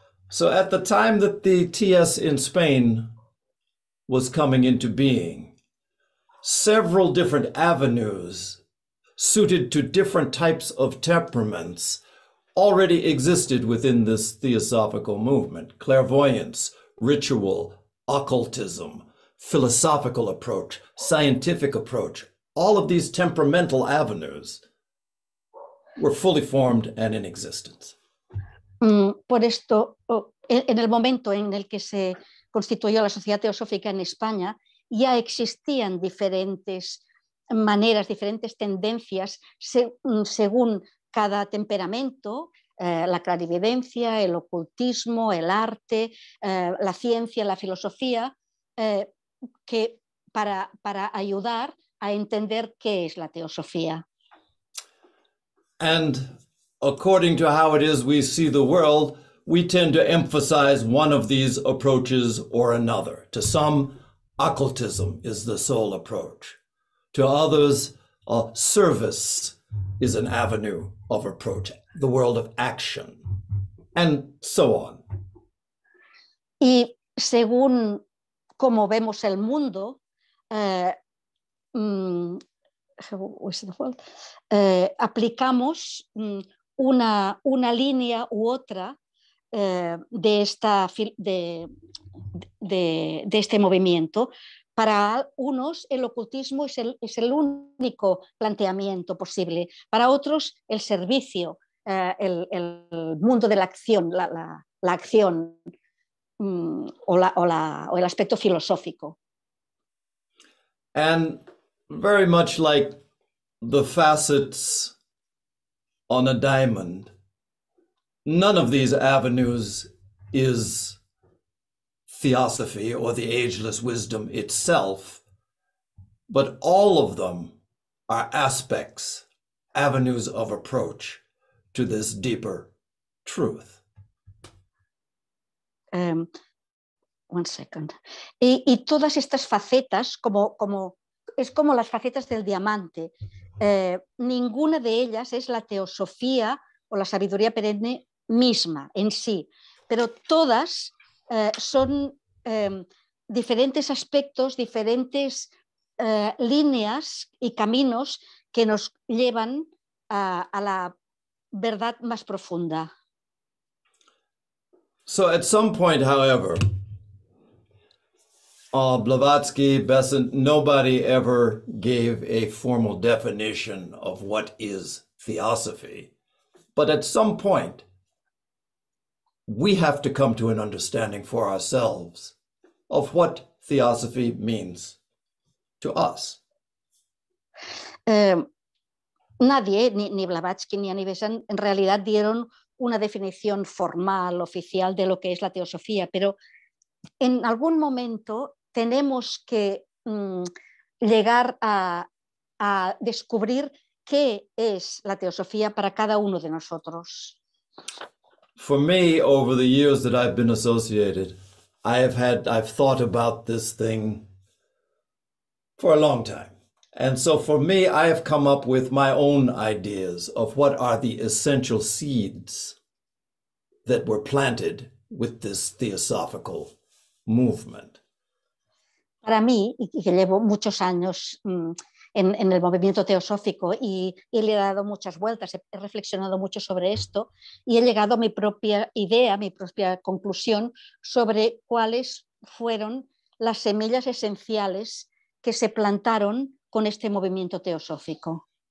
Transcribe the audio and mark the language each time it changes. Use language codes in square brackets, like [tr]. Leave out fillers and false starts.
[en] So at the time that the TS in Spain was coming into being, several different avenues suited to different types of temperaments already existed within this theosophical movement: clairvoyance, ritual, occultism, philosophical approach, scientific approach. All of these temperamental avenues were fully formed and in existence. [es] Por esto, en el momento en el que se constituyó la Sociedad Teosófica en España, ya existían diferentes maneras, diferentes tendencias, según cada temperamento, la clarividencia, el ocultismo, el arte, la ciencia, la filosofía, que para ayudar a entender qué es la teosofía. [en] And according to how it is we see the world, we tend to emphasize one of these approaches or another. To some, occultism is the sole approach. To others, service is an avenue of approach, the world of action, and so on. [es] Y según cómo vemos el mundo, aplicamos una línea u otra de este movimiento. Para unos el ocultismo es el único planteamiento posible, para otros el servicio, el mundo de la acción, la acción o el aspecto filosófico. [en] And very much like the facets on a diamond, none of these avenues is theosophy or the ageless wisdom itself, but all of them are aspects, avenues of approach to this deeper truth. One second. [es] Y todas estas facetas, es como las facetas del diamante. Ninguna de ellas es la teosofía o la sabiduría perenne misma en sí, pero todas son diferentes aspectos, diferentes líneas y caminos que nos llevan a la verdad más profunda. [en] So at some point, however, Blavatsky, Besant, nobody ever gave a formal definition of what is theosophy. But at some point, we have to come to an understanding for ourselves of what theosophy means to us. [es] Nadie, ni Blavatsky ni Annie Besant, en realidad dieron una definición formal, oficial de lo que es la teosofía, pero en algún momento tenemos que llegar a descubrir qué es la teosofía para cada uno de nosotros. [en] For me, over the years that I've been associated, I've thought about this thing for a long time. And so for me, I have come up with my own ideas of what are the essential seeds that were planted with this theosophical movement. [es] Para mí, y que llevo muchos años en el movimiento teosófico y le he dado muchas vueltas, he reflexionado mucho sobre esto y he llegado a mi propia idea, mi propia conclusión sobre cuáles fueron las semillas esenciales que se plantaron con este movimiento teosófico.